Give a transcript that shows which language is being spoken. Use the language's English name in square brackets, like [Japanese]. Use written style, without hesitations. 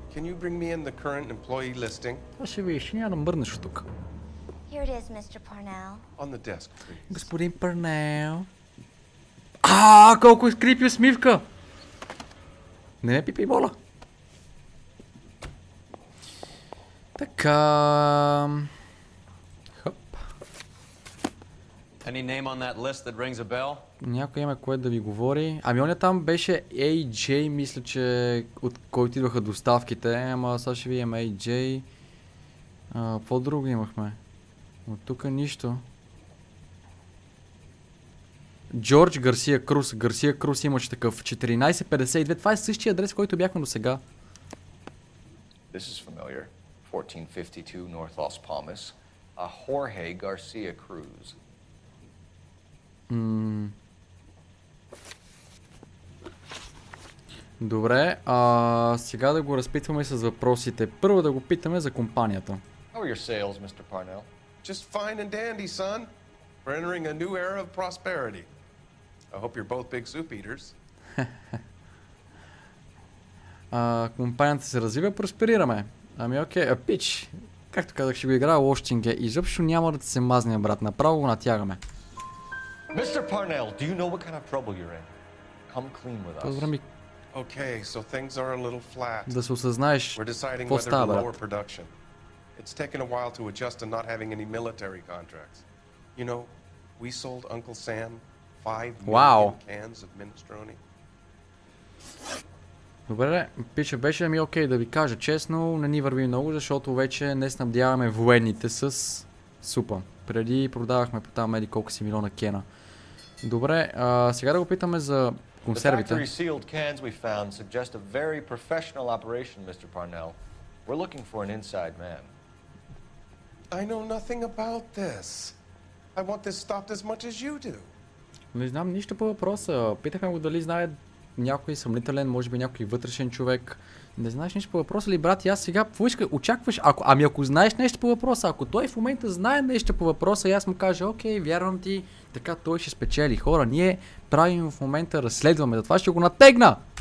[English] Can you bring me in the current employee listing? [Bulgarian] Ще виж, няма да мърнеш от тук. [English] Here it is, Mr. Parnell. On the desk, please. [Bulgarian] Господин Парнел. А, колко е скрипи усмивка! Не ме пипай, моля. Така... Хъп. [English] Any name on that list that rings a bell? [Bulgarian] Някой има кое да ви говори. Ами оня там беше AJ, мисля, че от който идваха доставките. Ама сега ще видим AJ. По-друго имахме. От тук нищо. Джордж Гарсия Крус. Гарсия Крус имаше такъв. 1452. Това е същия адрес, който бяхме до сега. [English] This is familiar. 1452 North Las Palmas. A Jorge Garcia Cruz. [Bulgarian] Добре, а сега да го разпитваме с въпросите. Първо да го питаме за компанията. [English] How are your sales, Mr. Parnell? Just fine and dandy, son. We're entering a new era of prosperity. I hope you're both big soup eaters. [Bulgarian] Компанията се развива, просперираме. Ами окей, а пич, както казах, ще го играя лошчинге. Изобщо няма да се мазне, брат. Направо го натягаме. [English] Mr. Parnell, do you know what kind of trouble you're in? Come clean with us. Okay, so things are a little flat. [Bulgarian] Да се осъзнаеш. [English] We're deciding whether to lower production. It's taken a while to adjust to not having any military contracts. You know, we sold Uncle Sam 5 million cans of minestrone. [Bulgarian] Добре, пиша, беше ми окей да ви кажа честно, не ни върви много, защото вече не снабдяваме военните с супа. Преди продавахме по там еди колко си милиона кена. Добре, сега да го питаме за консервите. [English] The factory sealed cans we found suggest a very professional operation, Mr. Parnell. We're looking for an inside man. I know nothing about this. I want this stopped as much as you do. [Bulgarian] Не знам нищо по въпроса. Питахме го дали знае някой съмнителен, може би някой вътрешен човек. Не знаеш нищо по въпроса ли, брат? И аз сега очакваш, ако знаеш нещо по въпроса, ако той в момента знае нещо по въпроса и аз му кажа, окей, вярвам ти, така той ще спечели. Хора, ние правим в момента, разследваме, затова ще го натегна!